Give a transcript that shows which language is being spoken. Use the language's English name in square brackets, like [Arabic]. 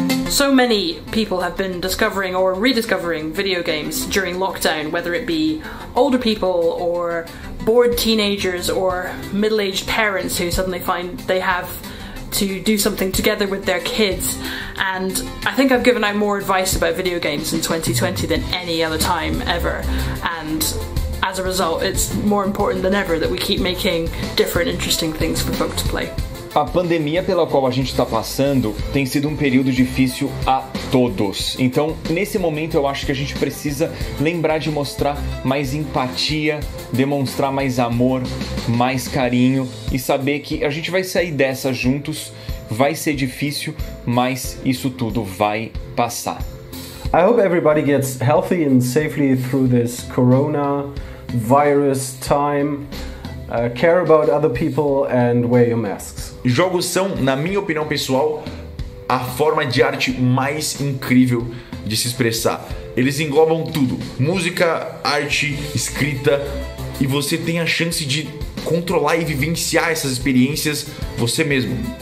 [English] So many people have been discovering or rediscovering video games during lockdown, whether it be older people or bored teenagers or middle-aged parents who suddenly find they have to do something together with their kids. And I think I've given out more advice about video games in 2020 than any other time ever. And as a result, it's more important than ever that we keep making different, interesting things for folks to play. [Portuguese] A pandemia pela qual a gente está passando tem sido um período difícil a todos. Então, nesse momento, eu acho que a gente precisa lembrar de mostrar mais empatia, demonstrar mais amor, mais carinho e saber que a gente vai sair dessa juntos. Vai ser difícil, mas isso tudo vai passar. [English] I hope everybody gets healthy and safely through this corona virus time. Care about other people and wear your masks. [Portuguese] Jogos são, na minha opinião pessoal, a forma de arte mais incrível de se expressar. Eles englobam tudo: música, arte, escrita, e você tem a chance de controlar e vivenciar essas experiências você mesmo.